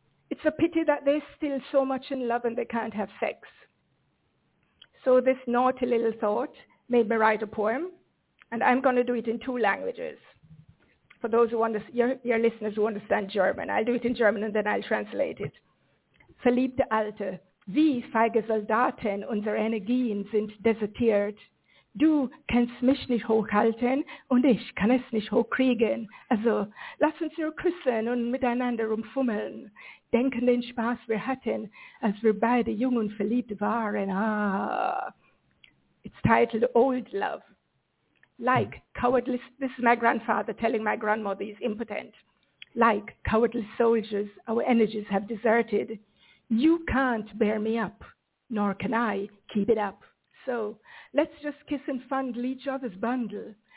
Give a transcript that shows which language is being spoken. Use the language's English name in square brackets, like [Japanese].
[English] It's a pity that they're still so much in love and they can't have sex. So this naughty little thought made me write a poem, and I'm going to do it in two languages. For those who understand, your listeners who understand German, I'll do it in German and then I'll translate it. [German] Verliebte Alte, Wie feige Soldaten unsere Energien sind desertiert. Du kannst mich nicht hochhalten und ich kann es nicht hochkriegen. Also lass uns nur küssen und miteinander umfummeln. Denk an den Spaß wir hatten, als wir beide jung und verliebt waren. [English] Ah, it's titled Old Love. Like cowardly, this is my grandfather telling my grandmother he's impotent. Like cowardly soldiers, our energies have deserted. You can't bear me up, nor can I keep it up. So let's just kiss and fondle each other's bundle.